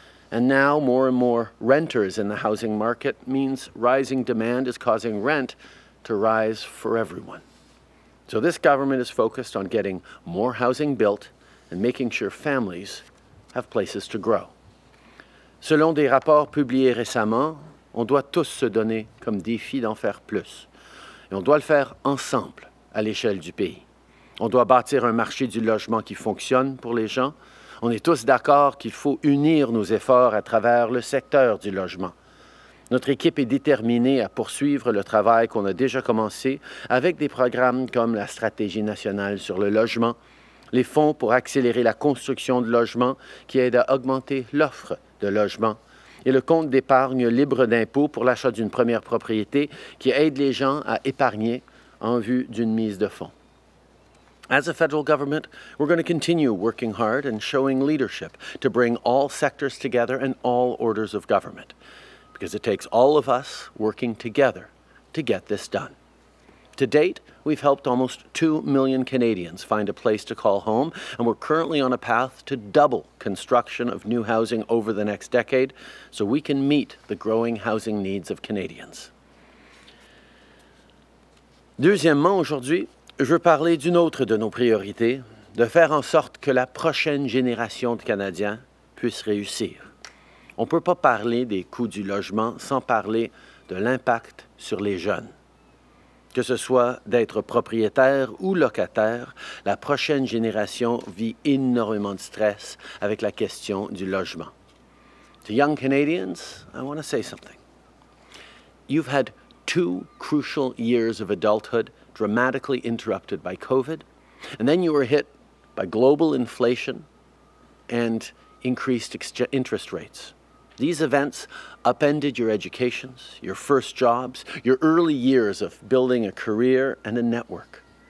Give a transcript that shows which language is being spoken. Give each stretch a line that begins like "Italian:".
English: And now more and more renters in the housing market means rising demand is causing rent to rise for everyone. So this government is focused on getting more housing built and making sure families have places to grow.
French: Selon des rapports publiés récemment, on doit tous se donner comme défi d'en faire plus. Et on doit le faire ensemble à l'échelle du pays. On doit bâtir un marché du logement qui fonctionne pour les gens. On est tous d'accord qu'il faut unir nos efforts à travers le secteur du logement. Notre équipe est déterminée à poursuivre le travail qu'on a déjà commencé avec des programmes comme la Stratégie nationale sur le logement, les fonds pour accélérer la construction de logements qui aident à augmenter l'offre de logements et le compte d'épargne libre d'impôt pour l'achat d'une première propriété qui aide les gens à épargner en vue d'une mise de fonds.
English: As a federal government, we're going to continue working hard and showing leadership to bring all sectors together and all orders of government. Because it takes all of us working together to get this done. To date, we've helped almost 2 million Canadians find a place to call home, and we're currently on a path to double construction of new housing over the next decade so we can meet the growing housing needs of Canadians.
French: Deuxièmement, aujourd'hui, je veux parler d'une autre de nos priorités, de faire en sorte que la prochaine génération de Canadiens puisse réussir. On ne peut pas parler des coûts du logement sans parler de l'impact sur les jeunes. Que ce soit d'être propriétaire ou locataire, la prochaine génération vit énormément de stress avec la question du logement.
English: To young Canadians, I want to say something. You've had two crucial years of adulthood dramatically interrupted by COVID, and then you were hit by global inflation and increased interest rates. These events upended your educations, your first jobs, your early years of building a career and a network.